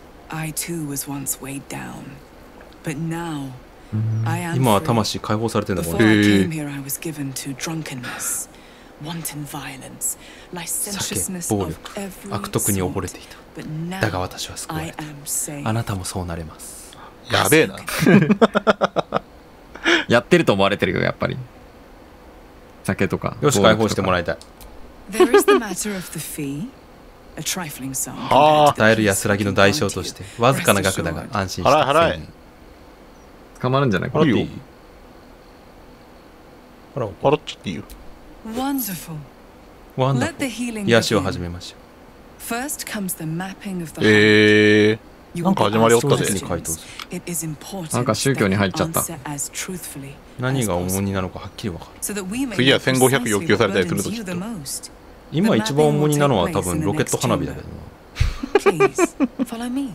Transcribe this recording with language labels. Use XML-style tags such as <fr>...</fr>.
<en>I too was once weighed down, but now I am.</en> <ja>今は魂解放されてんだもんね。</ja> <en>Before I came here, I was given to drunkenness, wanton violence, licentiousness of every sort.</en> <ja>悪徳に溺れていた。だが私は救われた。あなたもそうなれます。やべえな。やってると思われてるよ、やっぱり。酒とか。よし、解放してもらいたい。</ja> <en>There is the matter of the fee.</en> <ja>あ、与える安らぎの代償としてわずかな額だが安心して。払え払え。捕まるんじゃない？これいいよ。払おう。払っちゃっていいよ。ワンダフル。癒しを始めましょう。</ja> <en>First comes the mapping of the heart.</en> <ja>なんか始まりおったぜ。に回答する。なんか宗教に入っちゃった。何が重荷なのかはっきり分かる。次は1500要求されたりするときっと。今一番重荷なのは多分ロケット花火だけどな。</ja>